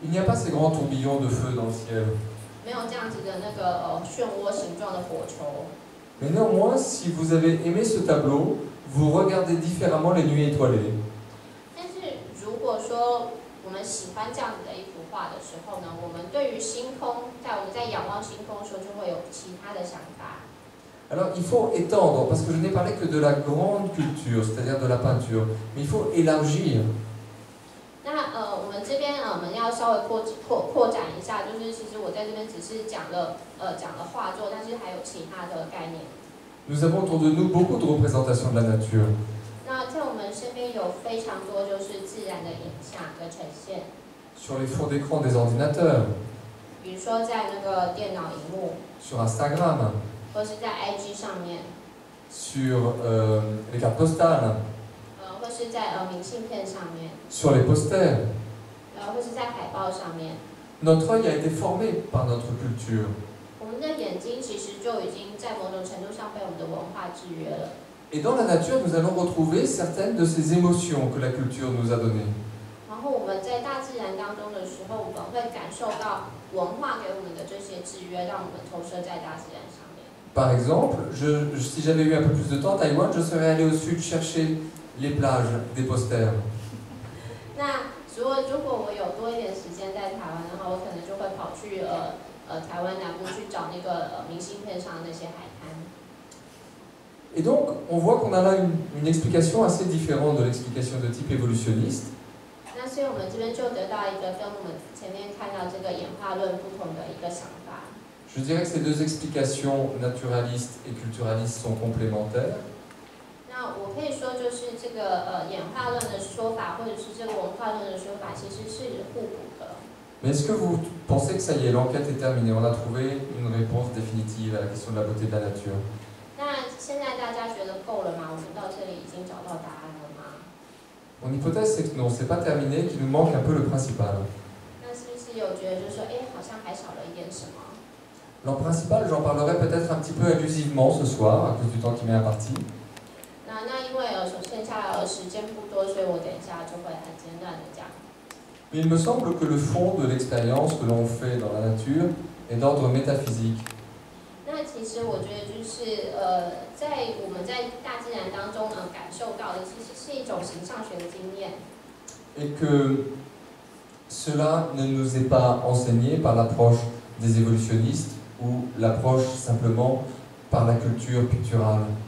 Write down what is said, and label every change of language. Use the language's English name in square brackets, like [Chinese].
[French] Il n'y a pas ces grands tourbillons de feu dans le ciel. [Chinese] 没有这样子的那个漩涡形状的火球。 [French] Mais néanmoins, si vous avez aimé ce tableau, vous regardez différemment les nuits étoilées. [Chinese] 但是如果说我们喜欢这样子的一幅画的时候呢，我们对于星空，在我们在仰望星空的时候，就会有其他的想法。 [French] Alors il faut étendre, parce que je n'ai parlé que de la grande culture, c'est-à-dire de la peinture, mais il faut élargir. [Chinese] 那我们这边我们要稍微扩展一下，就是其实我在这边只是讲了画作，但是还有其他的概念。 [French] Nous avons autour de nous beaucoup de représentations de la nature. [Chinese] 那在我们身边有非常多就是自然的影像的呈现。 [French] Sur les fonds d'écran des ordinateurs. [Chinese] 比如说在那个电脑荧幕。 [French] Sur Instagram. [Chinese] 或是在 IG 上面 [French] ，sur les cartes postales， [Chinese] 或是在明信片上面 [French] ，sur les posters， [Chinese] 或是在海报上面。 [French] Notre œil a été formé par notre culture。 [Chinese] 我们的眼睛其实就已经在某种程度上被我们的文化制约了。 [French] Et dans la nature, nous allons retrouver certaines de ces émotions que la culture nous a données。 [Chinese] 然后我们在大自然当中的时候，我们会感受到文化给我们的这些制约，让我们投射在大自然上。 [French] Par exemple, si j'avais eu un peu plus de temps à Taïwan, je serais allé au sud chercher les plages des posters. [Chinese] 那如果我有多一点时间在台湾的话，我可能就会跑去台湾南部去找那个明信片上的那些海滩。 [French] Et donc, on voit qu'on a là une explication assez différente de l'explication de type évolutionniste. [Chinese] 那所以我们这边就得到一个跟我们前面看到这个演化论不同的一个想法。 [French] Je dirais que ces deux explications naturalistes et culturalistes sont complémentaires. [Chinese] 那我可以说就是这个演化论的说法，或者是这个文化论的说法，其实是互补的。 [French] Mais est-ce que vous pensez que ça y est, l'enquête est terminée, on a trouvé une réponse définitive à la question de la beauté de la nature? [Chinese] 那现在大家觉得够了吗？我们到这里已经找到答案了吗？ [French] Mon hypothèse c'est que non, c'est pas terminé, qu'il nous manque un peu le principal. [Chinese] 那是不是有觉得就是说，哎，好像还少了一点什么？ [French] Le principal, j'en parlerai peut-être un petit peu abusivement ce soir, à cause du temps qui m'est imparti. [Chinese] 那因为剩下时间不多，所以我等一下就会很简短的讲。 [French] Mais il me semble que le fond de l'expérience que l'on fait dans la nature est d'ordre métaphysique. [Chinese] 那其实我觉得就是在我们在大自然当中感受到的，其实是一种形上学的经验。 [French] Et que cela ne nous est pas enseigné par l'approche des évolutionnistes. Ou l'approche simplement par la culture picturale.